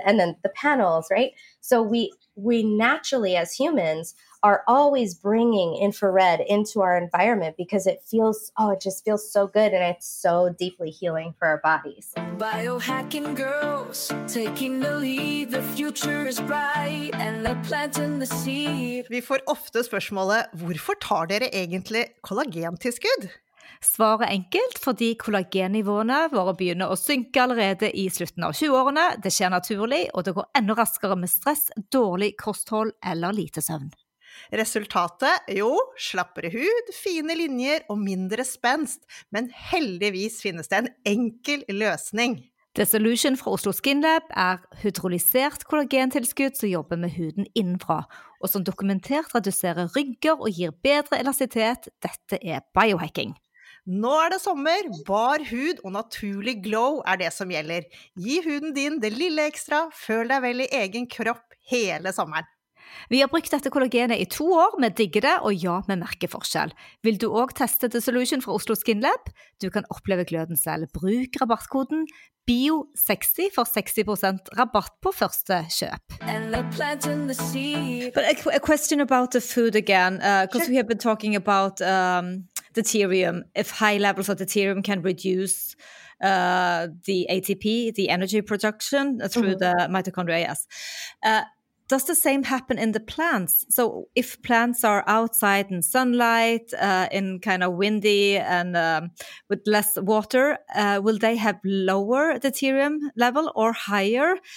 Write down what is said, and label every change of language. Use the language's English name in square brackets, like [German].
[English] And then the panels, right? So we naturally as humans are always bringing infrared into our environment because it feels, oh, it just feels so good. And it's so deeply healing for our bodies. Biohacking girls, taking the lead, the future is bright and they're planting the seed. [Norwegian] Vi får ofte spørsmålet, hvorfor tar dere egentlig kollagentilskudd? Svaret enkelt, fordi kollagennivåene våre begynner å synke allerede I slutten av 20-årene. Det skjer naturlig, og det går enda raskere med stress, dårlig kosthold eller lite søvn. Resultatet? Jo, slappere hud, fine linjer og mindre spenst. Men heldigvis finnes det en enkel løsning. The Solution fra Oslo Skin Lab hydrolysert kollagentilskudd som jobber med huden innenfra, og som dokumentert reduserer rynker og gir bedre elasticitet. Dette biohacking. Nå det sommer, bar hud og naturlig glow det som gjelder. Gi huden din det lille ekstra, føl deg vel I egen kropp hele sommeren. Vi har brukt dette kollagenet I 2 år, med digger det, og ja, med merkeforskjell. Vil du også teste The Solution fra Oslo Skin Lab? Du kan oppleve gløden selv. Bruk rabattkoden BIO60 for 60% rabatt på første kjøp. [English] But a question about the food again, because we have been talking about deuterium, if high levels of deuterium can reduce the ATP, the energy production through the mitochondria, yes. Does the same happen in the plants? So if plants are outside in sunlight, in kind of windy and with less water, will they have lower deuterium level or higher?